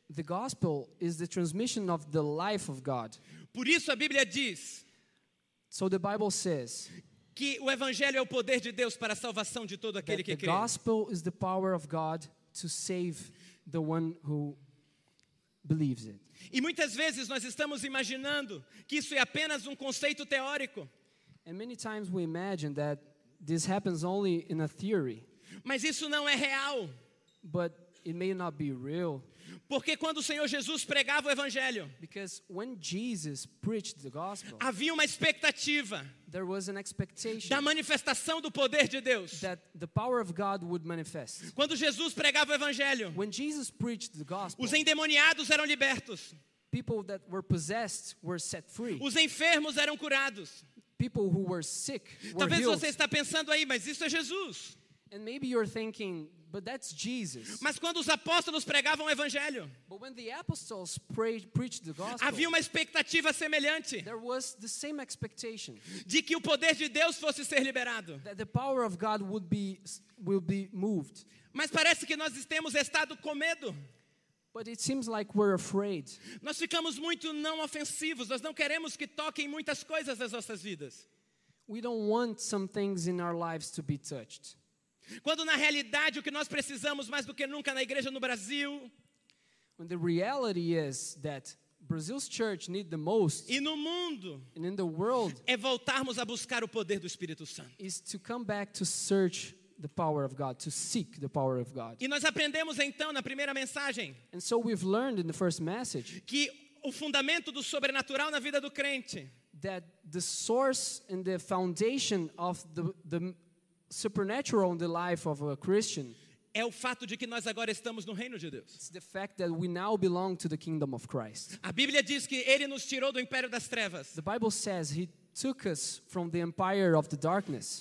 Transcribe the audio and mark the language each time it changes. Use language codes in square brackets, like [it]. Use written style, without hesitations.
[en] The gospel is the transmission of the life of God. [pt] Por isso a Bíblia diz. [en] So the Bible says. [pt] Que o evangelho é o poder de Deus para a salvação de todo aquele que crê. [en] The gospel is the power of God to save the one who believes it. [pt] E muitas vezes nós estamos imaginando que isso é apenas um conceito teórico. [en] And many times we imagine that this happens only in a theory. [pt] Mas isso não é real. [en] But it may not be real. [pt] Porque quando o Senhor Jesus pregava o evangelho, [en] because when Jesus preached the gospel, [pt] havia uma expectativa. [en] There was an expectation [pt] da manifestação do poder de Deus. [en] That the power of God would manifest. [pt] Quando Jesus pregava o evangelho, [en] when Jesus preached the gospel, [pt] os endemoniados eram libertos. [en] People that were possessed were set free. [pt] Os enfermos eram curados. [en] People who were sick were [pt] talvez [en] healed. [pt] Você está pensando aí, mas isso é Jesus. [en] And maybe you're thinking, but that's Jesus. [pt] Mas quando os apóstolos pregavam o evangelho, [en] but when the apostles preached the gospel, [pt] havia uma expectativa semelhante. [en] There was the same expectation. [pt] De que o poder de Deus fosse ser liberado. [en] That the power of God would be moved. [pt] Mas parece que nós temos estado com medo. [en] But it seems like we're afraid. [pt] Nós ficamos muito não ofensivos. Nós não queremos que toquem muitas coisas nas nossas vidas. [en] We don't want some things in our lives to be touched. [pt] Quando na realidade o que nós precisamos mais do que nunca na igreja no Brasil. [en] When the reality is that Brazil's church need the most. [pt] E no mundo. [en] And in the world. [pt] É voltarmos a buscar o poder do Espírito Santo. [en] Is to come back to search the power of God, to seek the power of God. [pt] E nós aprendemos então na primeira mensagem. [en] And so we've learned in the first message. [pt] Que o fundamento do sobrenatural na vida do crente. [en] That the source and the foundation of the supernatural in the life of a Christian. [pt] É o fato de que nós agora estamos no reino de Deus. [en] It's the fact that we now belong to the kingdom of Christ. [pt] A Bíblia diz que ele nos tirou do império das trevas. [en] The Bible says he took us from the empire of the darkness.